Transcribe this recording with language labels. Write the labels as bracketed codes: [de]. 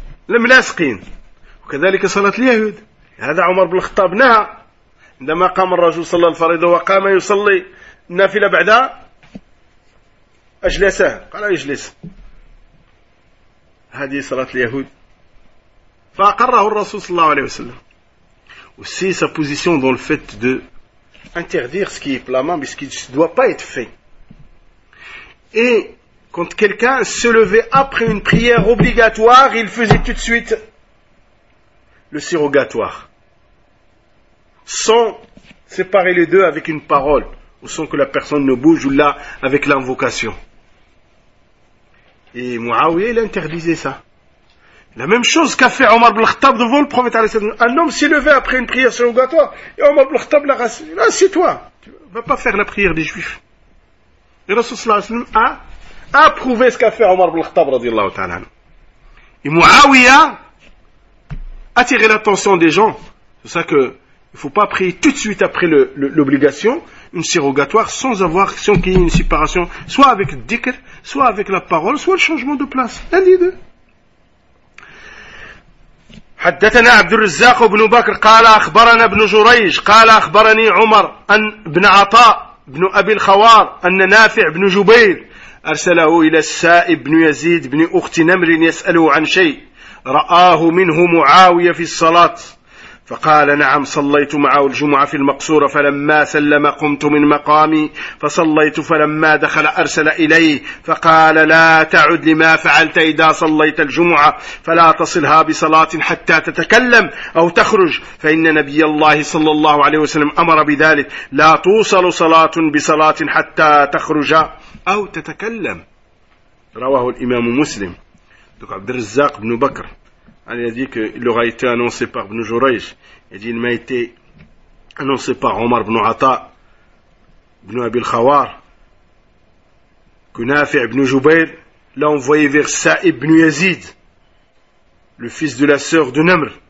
[ar] الملاصقين وكذلك صلاة اليهود هذا عمر بن الخطاب نهى عندما قام الرجل صلى الفريضة وقام يصلي النافلة بعد أجلسه قال يجلس هذه صلاة اليهود فأقره الرسول صلى الله عليه وسلم [fr] وسي سا بوزيسيون دون الفيت دو interdire ce qui est blâmable, ce qui ne doit pas être fait. Et quand quelqu'un se levait après une prière obligatoire, il faisait tout de suite le surrogatoire. Sans séparer les deux avec une parole, ou sans que la personne ne bouge, ou là, avec l'invocation. Et Mouawiyah, il interdisait ça. La même chose qu'a fait Omar ibn Khattab devant le prophète. Un homme s'est levé après une prière surrogatoire, et Omar ibn Khattab l'a rassuré. Assieds-toi, tu ne vas pas faire la prière des juifs. Et Rasoul sallallahu alayhi wa sallam a approuvé ce qu'a fait Omar ibn Khattab, radiyallahu ta'ala. Et Mouawiyah attirait l'attention des gens. C'est ça que il faut pas prier tout de suite après l'obligation, une surrogatoire, sans qu'il y ait une séparation, soit avec le dhikr, soit avec la parole, soit le changement de place. L'un des deux. [ar] حدثنا عبد الرزاق بن بكر قال أخبرنا ابن جريج قال أخبرني عمر أن ابن عطاء بن أبي الخوار أن نافع بن جبير أرسله إلى السائب بن يزيد بن أخت نمر يسأله عن شيء رآه منه معاوية في الصلاة فقال نعم صليت معه الجمعة في المقصورة فلما سلم قمت من مقامي فصليت فلما دخل أرسل إليه فقال لا تعد لما فعلت إذا صليت الجمعة فلا تصلها بصلاة حتى تتكلم أو تخرج فإن نبي الله صلى الله عليه وسلم أمر بذلك لا توصل صلاة بصلاة حتى تخرج أو تتكلم رواه الإمام مسلم عبد الرزاق بن بكر. [fr] Il a dit qu'il aura été annoncé par Ibn Jurayj. Il dit qu'il m'a été annoncé par Omar ibn Atta, ibn Abi al-Khawar, que Nafi' ibn Jubayr l'a envoyé vers Sa'ib ibn Yazid, le fils de la sœur de Namr.